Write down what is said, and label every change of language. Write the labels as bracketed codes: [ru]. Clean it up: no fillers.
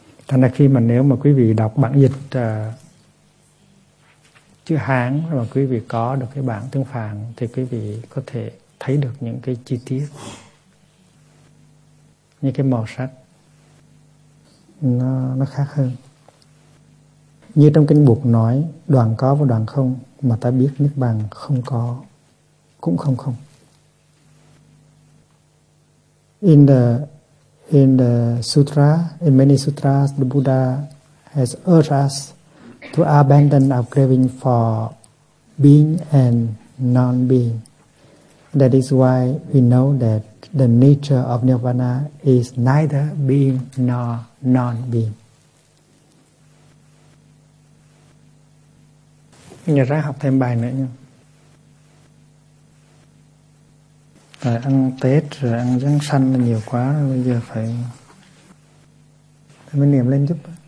[vi] Thành ra khi mà nếu mà quý vị đọc bản dịch chữ Hán mà quý vị có được cái bản tương phản thì quý vị có thể thấy được những cái chi tiết như cái màu sắc nó khác hơn. Như trong kinh Bụt nói, đoạn có và đoạn không mà ta biết niết bàn không có cũng không không. [en] In the sutra, in many sutras, the Buddha has urged us to abandon our craving for being and non-being. That is why we know that the nature of nirvana is neither being nor non-being. [vi] Nhờ ráng học thêm bài nữa nha. Tại ăn Tết rồi ăn Giáng sinh là nhiều quá rồi, bây giờ phải mới niệm lên giúp.